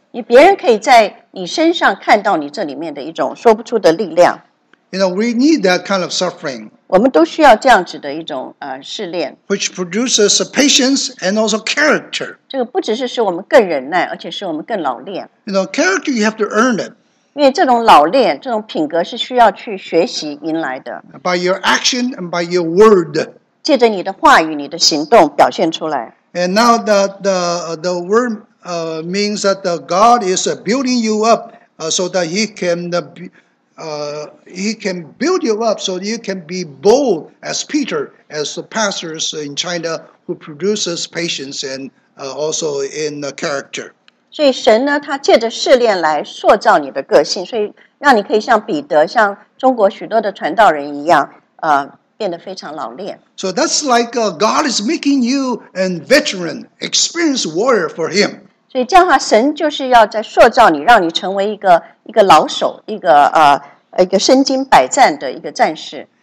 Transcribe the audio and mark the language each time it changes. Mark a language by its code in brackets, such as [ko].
[zh] 你别人可以在你身上看到你这里面的一种说不出的力量。 [en] You know, we need that kind of suffering. [zh] 我们都需要这样子的一种试炼。 [en] Which produces patience and also character. [zh] 这个不只是使我们更忍耐，而且使我们更老练。 [en] You know, character you have to earn it. [zh] 因为这种老练，这种品格是需要去学习赢来的。 [en] By your action and by your word. [zh] 借着你的话语，你的行动表现出来。 [en] And now the word means that God is building you up so that he can build you up so you can be bold as Peter, as the pastors in China who produces patience and also in the character. [zh] 所以神呢，他借着试炼来塑造你的个性，所以让你可以像彼得，像中国许多的传道人一样，变得非常老练。 [en] So that's like God is making you a veteran, experienced warrior for Him. [zh] 所以这样的话，神就是要在塑造你，让你成为一个老手，一个身经百战的一个战士。